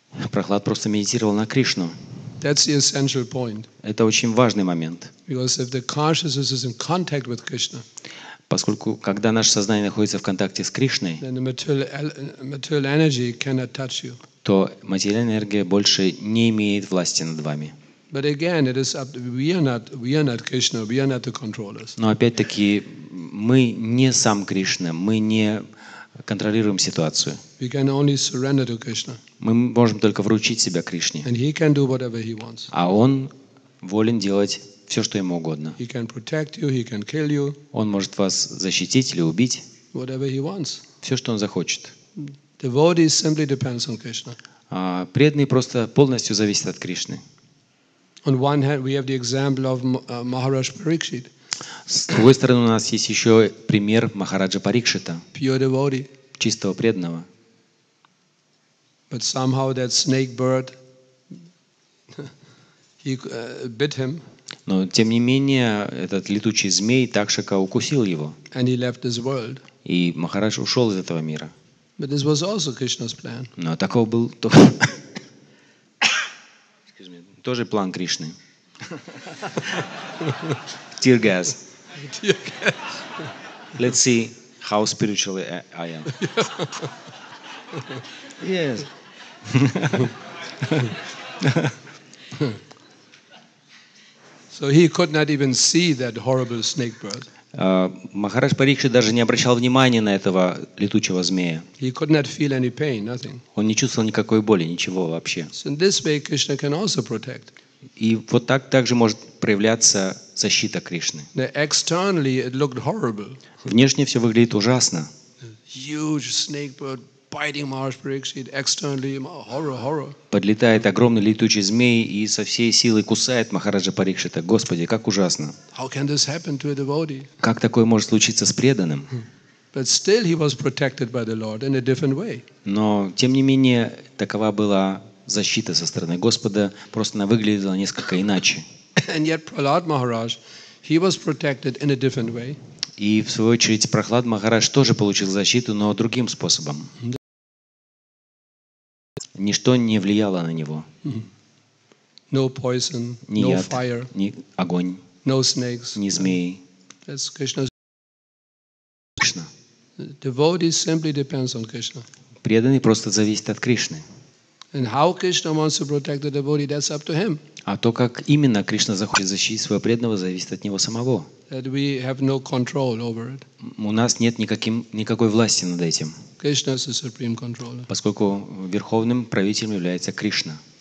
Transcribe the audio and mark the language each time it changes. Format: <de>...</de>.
<ru>Прахлад просто медитировал на Кришну.</ru> <en>That's the essential point.</en> <ru>Это очень важный момент.</ru> <en>Because if the consciousness is in contact with Krishna,</en> <ru>поскольку, когда наше сознание находится в контакте с Кришной,</ru> <en>then the material energy cannot touch you.</en> <ru>То материальная энергия больше не имеет власти над вами.</ru> <en>But again, it is up to, we are not Krishna, we are not the controllers.</en> <ru>Но опять-таки мы не сам Кришна, мы не контролируем ситуацию.</ru> <en>We can only surrender to Krishna.</en> <ru>Мы можем только вручить себя Кришне.</ru> <en>And he can do whatever he wants.</en> <ru>А он волен делать все, что ему угодно.</ru> <en>He can protect you, he can kill you.</en> <ru>Он может вас защитить или убить.</ru> <en>Whatever he wants.</en> <ru>Все, что он захочет.</ru> <en>Devotee simply depends on Krishna.</en> <ru>Преданный просто полностью зависит от Кришны.</ru> <en>On one hand, we have the example of Maharaj Parikshit.</en> <ru>С другой стороны, у нас есть еще пример Махараджа Парикшита.</ru> <en>Pure devotee.</en> <ru>Чистого преданного.</ru> <en>But somehow that snake bird he bit him.</en> <ru>Но тем не менее этот летучий змей Такшака укусил его.</ru> <en>And he left this world.</en> <ru>И Махарадж ушел из этого мира.</ru> <en>But this was also Krishna's plan.</en> <ru>Но такого был тоже план Кришны.</ru> <en>Tear gas. Let's see how spiritual I am. Yes. So he could not even see that horrible snake bird.</en> <ru>Махарадж Парикшит даже не обращал внимания на этого летучего змея.</ru> <en>He could not feel any pain, nothing.</en> <ru>Он не чувствовал никакой боли, ничего вообще.</ru> <en>So in this way Krishna can also protect.</en> <ru>И вот так также может проявляться защита Кришны.</ru> <en>Now, externally it looked horrible.</en> <ru>Внешне все выглядит ужасно.</ru> <en>Huge snake bird biting Maharaj Parikshit externally, horror, horror.</en> <ru>Подлетает огромный летучий змей и со всей силы кусает Махараджа Парикшита. Господи, как ужасно.</ru> <en>How can this happen to a devotee?</en> <ru>Как такое может случиться с преданным?</ru> <en>But still he was protected by the Lord in a different way.</en> <ru>Но, тем не менее, такова была защита со стороны Господа, просто она выглядела несколько иначе.</ru> <en>And yet Prahlad Maharaj, he was protected in a different way.</en> <ru>И, в свою очередь, Прохлад Махарадж тоже получил защиту, но другим способом. Ничто не влияло на него.</ru> <en>No poison,</en> <ru>ни яд,</ru> <en>no fire,</en> <ru>ни огонь,</ru> <en>no snakes,</en> <ru>ни змеи.</ru> <en>Krishna. Devotee simply depends on Krishna.</en> <ru>Преданный просто зависит от Кришны.</ru> <en>And how Krishna wants to protect the devotee, that's up to him.</en> <ru>А то, как именно Кришна захочет защитить своего преданного, зависит от него самого.</ru> <en>That we have no control over it.</en> <ru>У нас нет никакой власти над этим.</ru> <en>Krishna is the supreme controller.</en> <ru>Поскольку верховным правителем является Кришна.</ru>